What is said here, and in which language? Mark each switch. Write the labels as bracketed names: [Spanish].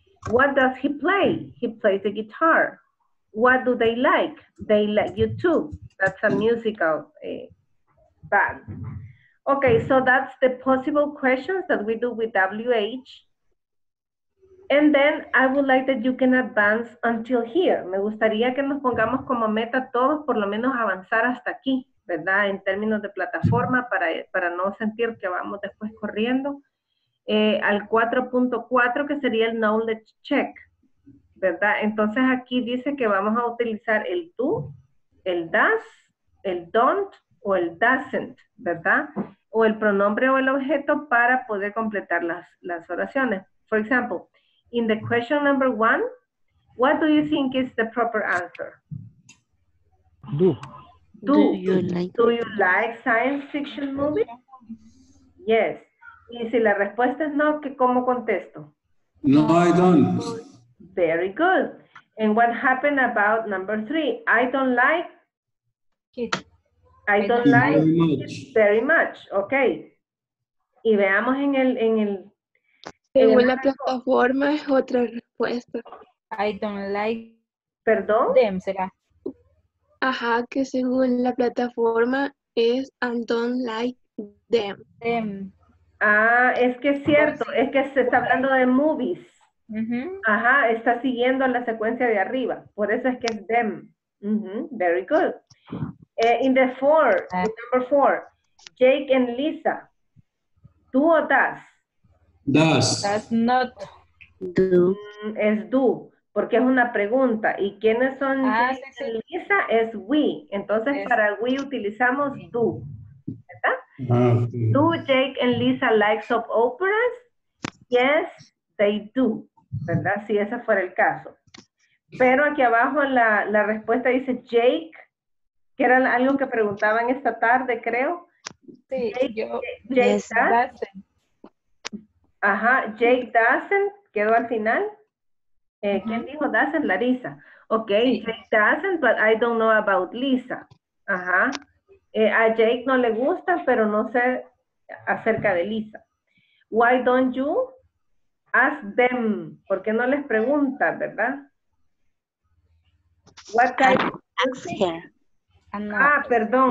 [English] What does he play? He plays the guitar. What do they like? They like YouTube. That's a musical band. Okay, so that's the possible questions that we do with WH. And then I would like that you can advance until here. [Spanish] Me gustaría que nos pongamos como meta todos por lo menos avanzar hasta aquí, ¿verdad? En términos de plataforma para no sentir que vamos después corriendo. Al 4.4 que sería el knowledge check, ¿verdad? Entonces aquí dice que vamos a utilizar el do, el does, el don't o el doesn't, ¿verdad? o el pronombre o el objeto para poder completar las oraciones. [English] For example, in the question number one, what do you think is the proper answer? Do you like science fiction movies? Yes. [Spanish] Y si la respuesta es no, ¿qué, cómo contesto? [English] No, I don't. Very good. And what happened about number three? I don't like it very much. Okay. [Spanish] Y veamos en el... Según la plataforma es otra respuesta. [English] I don't like... [Spanish] ¿Perdón? Them, será. Ajá, que según la plataforma es [English] I don't like them. [Spanish] Ah, es que es cierto, es que se está hablando de movies. Uh-huh. Ajá, está siguiendo la secuencia de arriba, por eso es que es them. [English] Uh-huh. Very good. In the four, number four, Jake and Lisa, do or does? Does. Does not. Do. [Spanish] Es do, porque es una pregunta. ¿Y quiénes son Jake y Lisa? Es we. Entonces, para we utilizamos do. ¿Verdad? [English] Do Jake and Lisa like soap operas? Yes, they do. [Spanish] ¿Verdad? Si ese fuera el caso. Pero aquí abajo la respuesta dice Jake, que era algo que preguntaban esta tarde, creo. Sí, [English] Jake doesn't. [Spanish] Ajá, Jake doesn't, quedó al final. ¿Quién dijo doesn't? Larisa. Ok, sí. [English] Jake doesn't, but I don't know about Lisa. [Spanish] Ajá. A Jake no le gusta, pero no sé acerca de Lisa. [English] Why don't you ask them? [Spanish] ¿Por qué no les pregunta, verdad? [English] What kind of ask her. [Spanish] Ah, perdón.